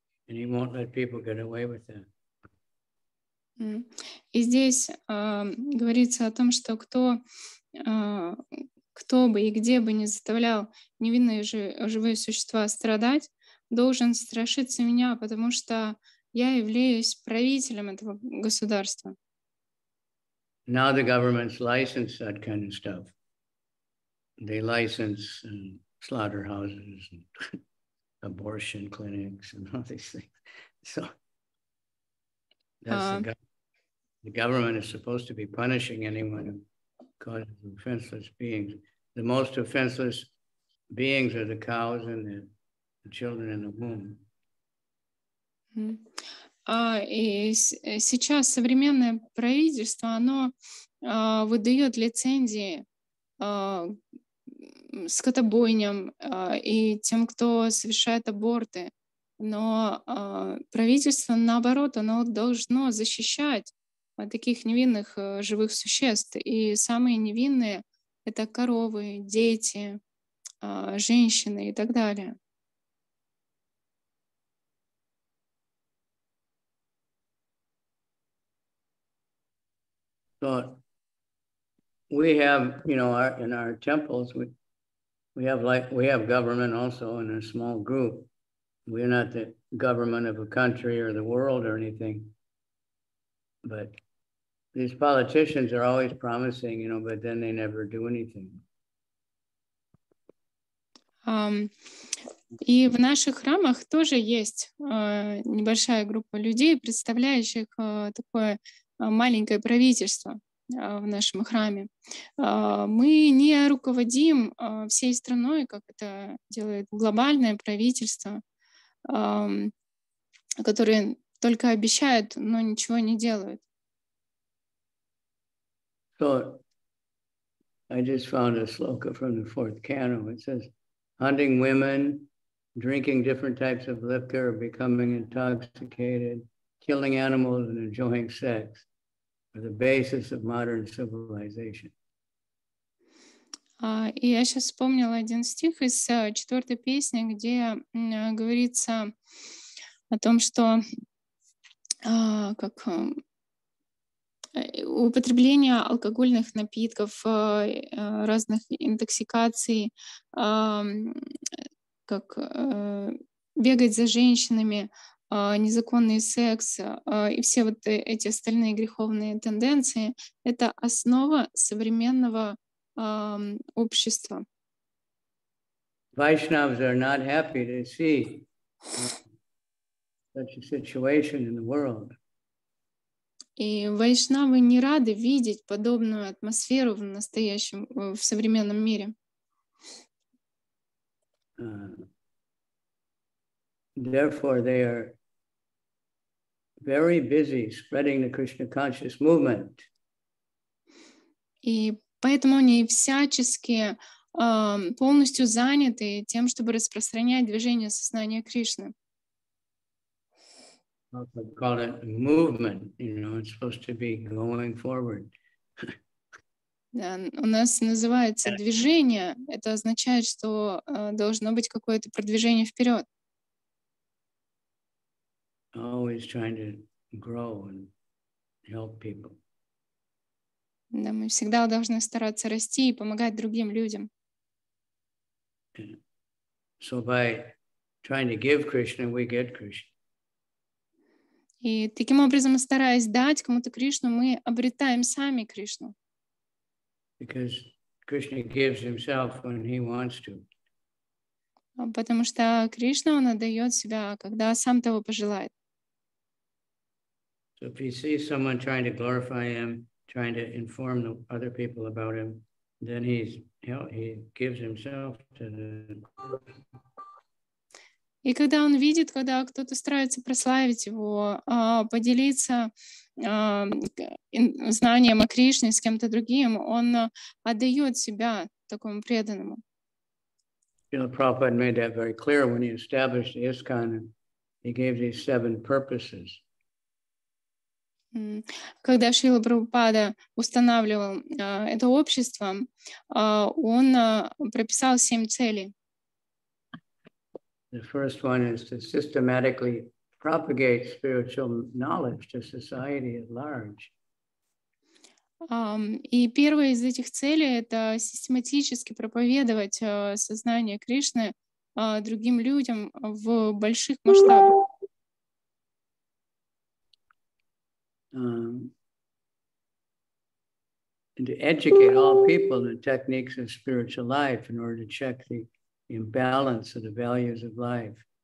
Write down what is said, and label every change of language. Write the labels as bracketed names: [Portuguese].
[English] And he won't let people get away with that. [Russian] И здесь говорится о том, что кто бы и где бы не заставлял невинные живые существа страдать, должен страшиться меня, потому что я являюсь правителем этого государства. [English] Now the government's licensed that kind of stuff. They license slaughterhouses and abortion clinics and all these things. So that's the government is supposed to be punishing anyone who causes offenseless beings. The most offenseless beings are the cows and the children in the womb. [Russian] И сейчас современное правительство, оно выдает лицензии скотобойням и тем, кто совершает аборты. Но правительство, наоборот, оно должно защищать от таких невинных живых существ. И самые невинные — это коровы, дети, женщины и так далее. [English] So, we have, you know, in our temples, We have government also in a small group. We're not the government of a country or the world or anything. But these politicians are always promising, you know, but then they never do anything. [Russian] И в наших храмах тоже есть небольшая группа людей, представляющих такое маленькое правительство в нашем храме. Мы не руководим всей страной, как это делает глобальное правительство, которое только обещает, но ничего не делает. [English] So, I just found a sloka from the fourth canto. It says, hunting women, drinking different types of liquor, becoming intoxicated, killing animals and enjoying sex are the basis of modern civilization. [Russian] И я сейчас вспомнила один стих из четвертой песни, где говорится о том, что как употребление алкогольных напитков, разных интоксикаций, как бегать за женщинами, незаконный секс и все вот эти остальные греховные тенденции — это основа современного общества. [English] Vaishnavas are not happy to see such a situation in the world. [Russian] И вайшнавы не рады видеть подобную атмосферу в настоящем, в современном мире. [English] Therefore, they are very busy spreading the Krishna conscious movement. [Russian] И поэтому они всячески полностью заняты тем, чтобы распространять движение сознания Кришны. [English] Call it movement, you know, it's supposed to be going forward. [Russian] У нас называется движение. Это означает, что должно быть какое-то продвижение вперед. [English] Always trying to grow and help people. [Russian] Да, мы всегда должны стараться расти и помогать другим людям. [English] So by trying to give Krishna, we get Krishna. [Russian] И таким образом, стараясь дать кому-то Кришну, мы обретаем сами Кришну. [English] Because Krishna gives himself when he wants to. [Russian] Потому что Кришна, он отдает себя, когда сам того пожелает. [English] So if you see someone trying to glorify him, trying to inform the other people about him, then he gives himself to the... [Russian] И когда он видит, когда кто-то старается прославить его, поделиться знанием о Кришне с кем-то другим, он отдает себя такому преданному. [English] You know, Prabhupada made that very clear when he established ISKCON, he gave these seven purposes. [Russian] Когда Шрила Прабхупада устанавливал это общество, он прописал семь целей. [English] The first one is to systematically propagate spiritual knowledge to society at large. [Russian] И первая из этих целей — это систематически проповедовать сознание Кришны другим людям в больших масштабах. [English] And to educate all people in the techniques of spiritual life in order to check the imbalance of the values of life.